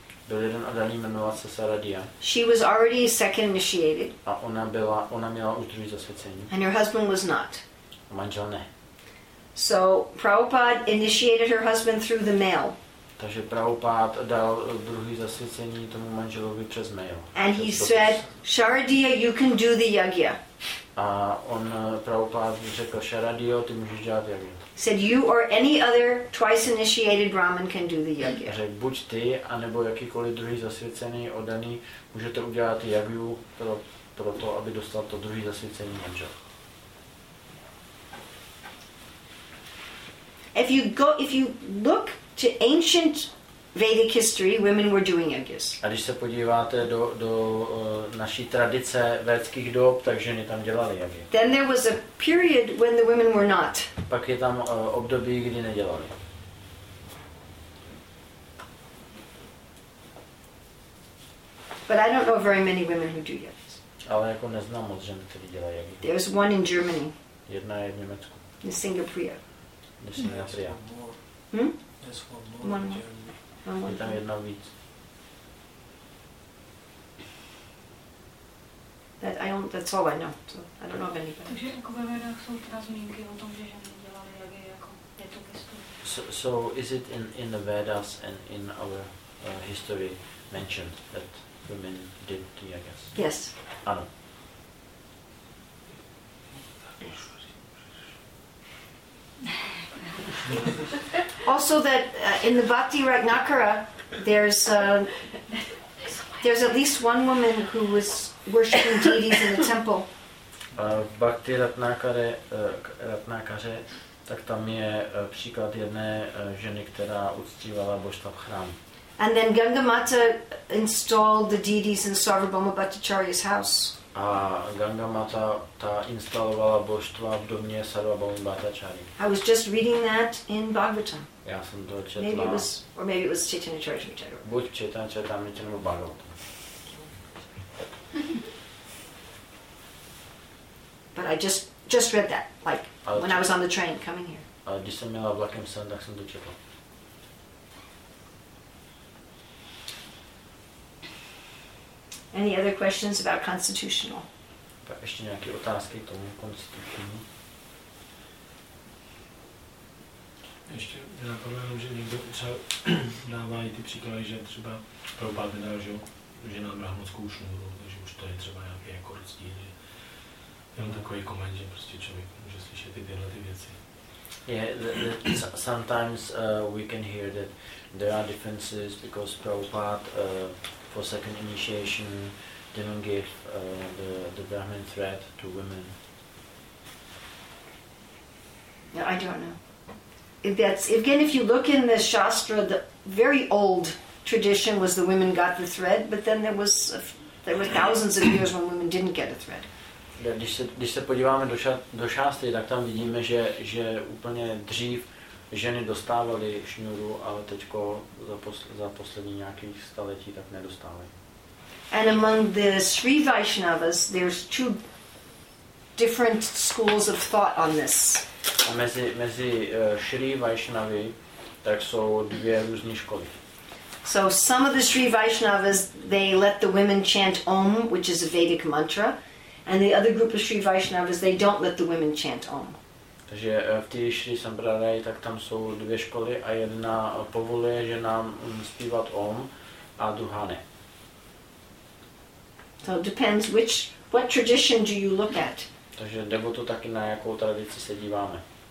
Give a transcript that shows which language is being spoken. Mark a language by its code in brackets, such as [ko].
[cs] Byl jeden oddaný, jmenoval se Saradiya. [en] She was already second initiated. [cs] A ona měla už druhý zasvěcení. [en] And her husband was not. [cs] A manžel ne. [en] So Prabhupada initiated her husband through the mail. [cs] Takže Prabhupada dal druhý zasvěcení tomu manželovi přes mail. [en] And he said, Saradiya, you can do the yagya. [cs] A on Prabhupád řekl, Saradiyo, ty můžeš dělat yagya. [en] Said you or any other twice initiated Brahmin can do the yagya. [cs] Řekl, buď ty, anebo jakýkoliv druhý zasvěcený, oddaný, můžete udělat yagyu pro to, aby dostal to druhý zasvěcený manžel. [en] If you look to ancient Vedic history, women were doing yagyas. [cs] A když se podíváte do naší tradice védských dob, tak ženy tam dělaly yagy. [en] Then there was a period when the women were not. [cs] Pak je tam období, kdy nedělali. [en] But I don't know very many women who do yagyas. [cs] Ale jako neznám moc žen, které dělají yagy. [en] There was one in Germany. [cs] Jedna je v Německu. [en] In Singapore. In Singapore. Hm? One more. [cs] Je tam jedna víc. [en] That's all I know. So I don't know of anybody. [cs] Takže jako ve vědách jsou teda zmínky o tom, že ženy dělali jagy, jako je to historie. [en] So is it in the Vedas and in our history mentioned that women did the yagas? Yes. [cs] Ano. [en] Also that in the Bhakti Ragnakara there's at least one woman who was worshiping deities in the temple. [cs] V Bhakti Ragnakare tak tam je příklad jedné ženy, která uctívala božstva v chrámu. [en] And then Ganga Mata installed the deities in Sarvabhauma Bhattacharya's house. [cs] A Ganga Mata ta instalovala božstva v domě Sarvabhauma Bhattacharya. [en] I was just reading that in Bhagavatam. [cs] Já jsem to četla. [en] Maybe it was Chaitanya Charitamrita. [cs] Buď Chaitanya Charitamrita nebo Bhagavatam. [en] But I just read that, like, [cs] ale [en] when I was on the train coming here. [cs] Ale když jsem měla vlakem sen, tak jsem to četla. [en] Any other questions about constitutional? [cs] Tak ještě nějaké otázky k tomu konstitučnímu? Ještě napomenu, že někdo třeba dává i ty příklady, že třeba Prabhupád vydal, že žena brahmanskou šnůru, takže už to je třeba nějaký jako rozdíl. Jenom takový koment, že prostě člověk může slyšet i tyhle ty věci. [en] Yeah, sometimes we can hear that there are differences because Prabhupada for second initiation didn't give the Brahmin thread to women. No, I don't know. If that's, again, if you look in the Shastra, the very old tradition was the women got the thread, but then there were thousands of years when women didn't get a thread. [cs] Když se podíváme do šástry, tak tam vidíme, že úplně dřív ženy dostávaly šňůru, ale teďko za poslední nějakých staletí tak nedostávají. [en] And among the Sri Vaishnavas, there's two different schools of thought on this. [cs] A mezi Sri Vaishnavy tak jsou dvě různé školy. [en] So some of the Sri Vaishnavas, they let the women chant Om, which is a Vedic mantra. And the other group of Sri Vaishnavas, they don't let the women chant Om. [cs] Takže v té Sri Sampradaji, tak tam jsou dvě školy a jedna povoluje, že nám zpívat Om, a druhá ne. [en] So it depends what tradition do you look at. [cs] Takže jde o to taky, na jakou tradici se díváme.